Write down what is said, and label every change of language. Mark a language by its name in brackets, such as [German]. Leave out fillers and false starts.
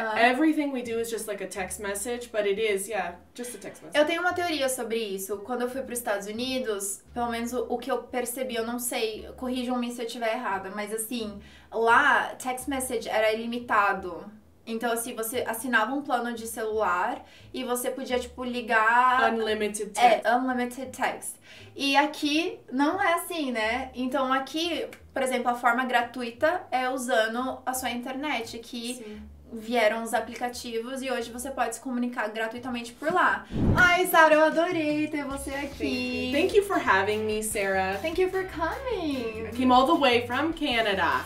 [English] Everything we do is just like a text message, but it is, yeah, just a text message. [Portuguese] Eu tenho uma teoria sobre isso. Quando eu fui para os Estados Unidos, pelo menos o que eu percebi, eu não sei, corrijam-me se eu estiver errada, mas assim, lá, text message era ilimitado. Então, assim, você assinava um plano de celular e você podia, tipo, ligar... [English] Unlimited text. [Portuguese] É, [English] unlimited text. [Portuguese] E aqui não é assim, né? Então, aqui, por exemplo, a forma gratuita é usando a sua internet, que vieram os aplicativos e hoje você pode se comunicar gratuitamente por lá. Ai, Sarah, eu adorei ter você aqui. [English] Thank you for having me, Sarah. Thank you for coming. I came all the way from Canada.